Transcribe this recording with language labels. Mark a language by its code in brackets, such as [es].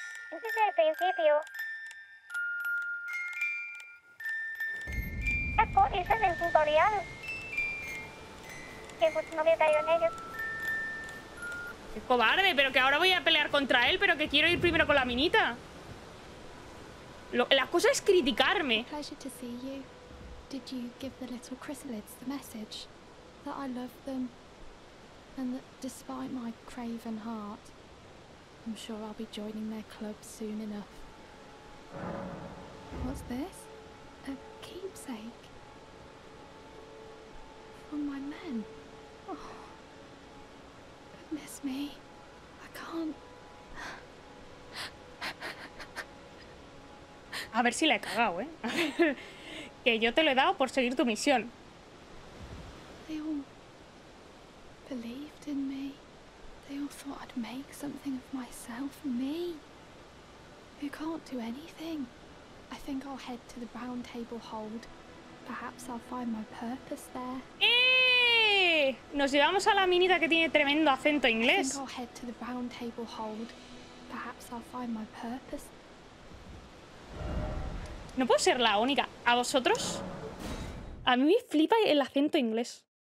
[es] Ese es el principio. Ese es el tutorial. Que pues no me caigo en ellos. ¡Qué cobarde! Pero que ahora voy a pelear contra él, pero que quiero ir primero con la minita. La cosa es criticarme. [en] Pleasure to see you. Did you give the little chrysalids the message? That I love them. And that despite my craven heart, I'm sure I'll be joining their club soon enough. What's this? A keepsake. From my men. Oh. Miss me. I can't. [es] A ver si la he cagado, ¿eh? Que yo te lo he dado por seguir tu misión. [en] They all believed in me. They all thought I'd make something of myself, me. Who can't do anything. I think I'll head to the Round Table Hold. Perhaps I'll find my purpose there. [es] Nos llevamos a la minita que tiene tremendo acento inglés. [en] I'll head to the Round Table Hold. Perhaps I'll find my purpose. [es] No puedo ser la única. ¿A vosotros? A mí me flipa el acento inglés.